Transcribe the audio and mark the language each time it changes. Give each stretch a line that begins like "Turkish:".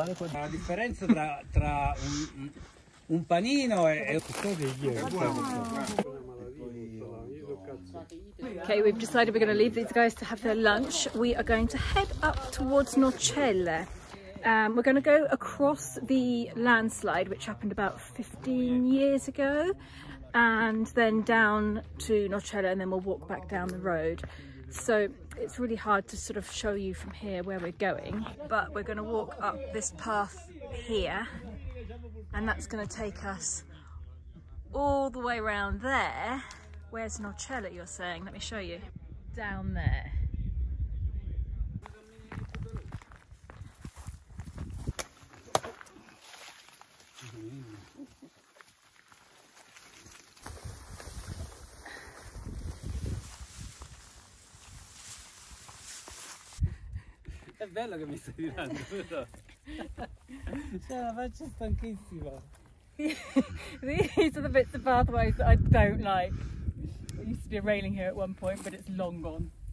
Italian: la differenza tra un panino e questo è buono.
English: Okay, we've decided we're going to leave these guys to have their lunch. We are going to head up towards Nocelle. We're going to go across the landslide, which happened about 15 years ago, and then down to Nocelle, and then we'll walk back down the road. So it's really hard to sort of show you from here where we're going, but we're going to walk up this path here, and that's going to take us all the way around there. Where's Nocelle, you're saying? Let me show you. Down there.
Italian: È bello che mi stai tirando, però. C'è la faccia stanchissima.
English: These are the bits of pathways that I don't like. There used to be a railing here at one point, but it's long gone.